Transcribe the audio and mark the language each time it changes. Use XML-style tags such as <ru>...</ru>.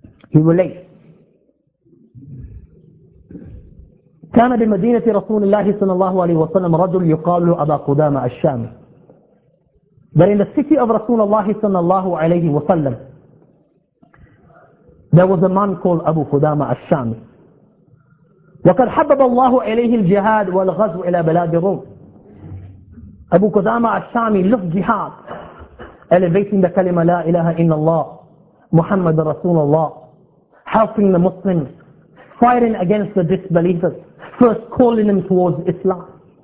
<en>He relates,</en> <ar>كان بمدينة رسول الله صلى الله عليه وسلم رجل يقال له أبا قدامة الشامي.</ar> <en>But in the city of Rasulullah صلى الله عليه وسلم, there was a man called Abu قدامة الشامي.</en> <ar>وقد حبب الله إليه الجهاد والغزو إلى بلاد الروم.</ar> <en>Abu قدامة الشامي loved jihad, elevating the kalima</en> <ar>لا إله إلا الله محمد رسول الله,</ar> <en>helping the Muslims, fighting against the disbelievers, first calling them towards Islam.</en>